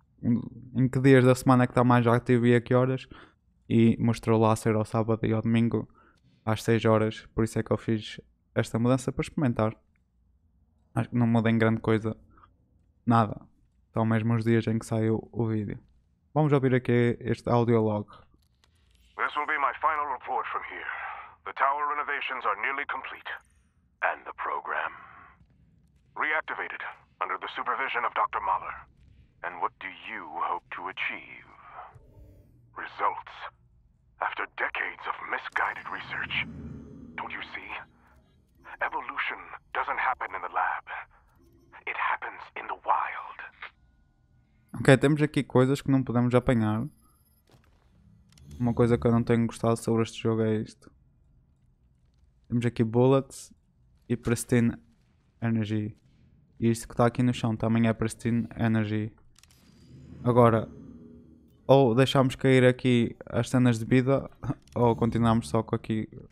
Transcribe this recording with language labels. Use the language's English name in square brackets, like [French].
[Portuguese] Em que dias da semana é que está mais ativo e a que horas? E mostrou lá ser ao sábado e ao domingo às 6 horas. Por isso é que eu fiz esta mudança para experimentar. Acho que não muda em grande coisa nada. São mesmo os dias em que saiu o vídeo. Vamos ouvir aqui este audio logo. [English] This will be my final report from here. The tower renovations are nearly complete. And the program reactivated under the supervision of Dr. Mahler. And what do you hope to achieve? Results. After decades of misguided research. Don't you see? Evolution doesn't happen in the lab. It happens in the wild. [Portuguese] Ok, temos aqui coisas que não podemos apanhar. Uma coisa que eu não tenho gostado sobre este jogo é isto. Temos aqui bullets e pristine energy. E isto que está aqui no chão também é pristine energy. Agora, ou deixamos cair aqui as cenas de vida, ou continuamos só com aqui.